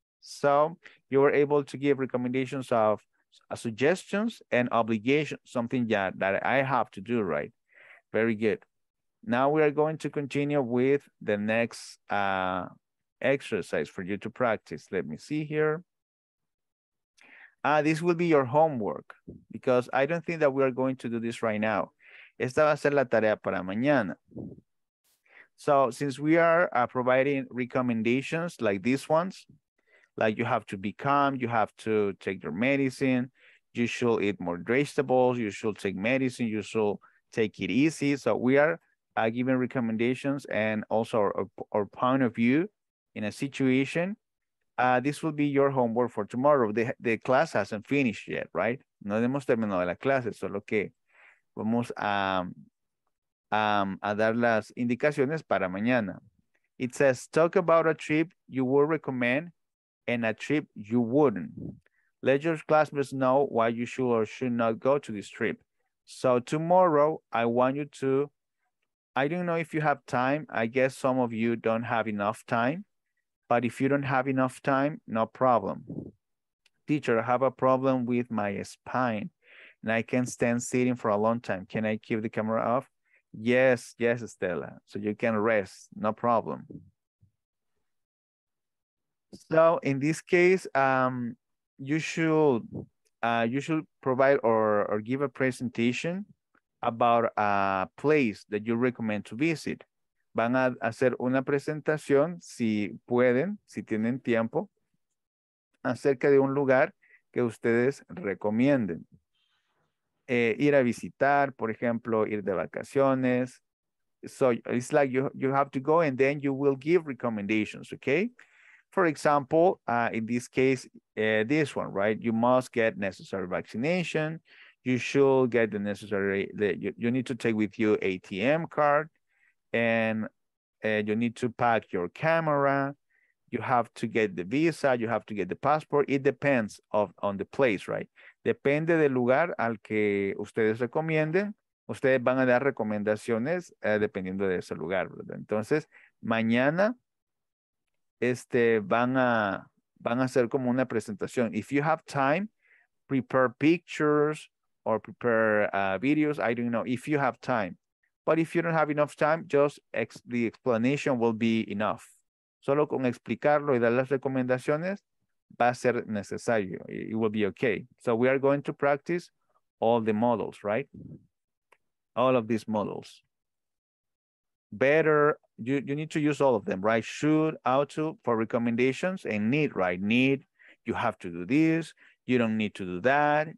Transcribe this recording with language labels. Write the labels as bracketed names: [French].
[English] So you were able to give recommendations of suggestions and obligations, something that I have to do, right? Very good. Now we are going to continue with the next exercise for you to practice. Let me see here. This will be your homework because I don't think that we are going to do this right now. [Spanish] Esta va a ser la tarea para mañana. [English] So since we are providing recommendations like these ones, like you have to be calm, you have to take your medicine, you should eat more vegetables, you should take medicine, you should take it easy. So we are giving recommendations and also our point of view in a situation. This will be your homework for tomorrow. The class hasn't finished yet, right? [Spanish] No hemos terminado la clase, solo que vamos a dar las indicaciones para mañana. [English] It says, talk about a trip you would recommend and a trip you wouldn't. Let your classmates know why you should or should not go to this trip. So tomorrow, I want you to, I don't know if you have time. I guess some of you don't have enough time. But if you don't have enough time, no problem. Teacher, I have a problem with my spine. And I can't stand sitting for a long time. Can I keep the camera off? Yes, yes, Stella. So you can rest, no problem. So in this case, you should provide or give a presentation about a place that you recommend to visit. [Spanish] Van a hacer una presentación, si pueden, si tienen tiempo, acerca de un lugar que ustedes recomienden. Ir a visitar, por ejemplo, ir de vacaciones. [English] So it's like you have to go and then you will give recommendations, okay? For example, in this case, this one, right? You must get necessary vaccination. You should get the necessary, you need to take with you ATM card and you need to pack your camera. You have to get the visa. You have to get the passport. It depends on the place, right? [Spanish] Depende del lugar al que ustedes recomienden. Ustedes van a dar recomendaciones dependiendo de ese lugar, ¿verdad? Entonces, mañana van a hacer como una presentación. [English] If you have time, prepare pictures or prepare videos. I don't know if you have time. But if you don't have enough time, just the explanation will be enough. [Spanish] Solo con explicarlo y dar las recomendaciones va a ser necesario. [English] It will be okay. So we are going to practice all the models, right? All of these models. Better, you need to use all of them, right? Should, how to, for recommendations, and need, right? Need, you have to do this. You don't need to do that.